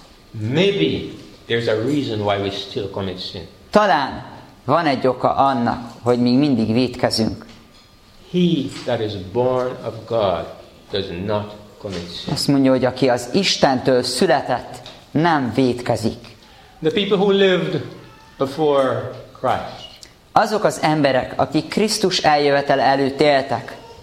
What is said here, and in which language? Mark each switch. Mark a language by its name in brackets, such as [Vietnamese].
[English] Maybe there's a reason why we still commit sin. [Hungarian] Talán van egy oka annak, hogy mi mindig vétkezünk. [English] He that is born of God does not commit sin. [Hungarian] Azt mondja, hogy aki az Istentől született, nem vétkezik. [English] The people who lived before Christ. [Hungarian] Azok az emberek, akik Krisztus eljövetele előtt éltek.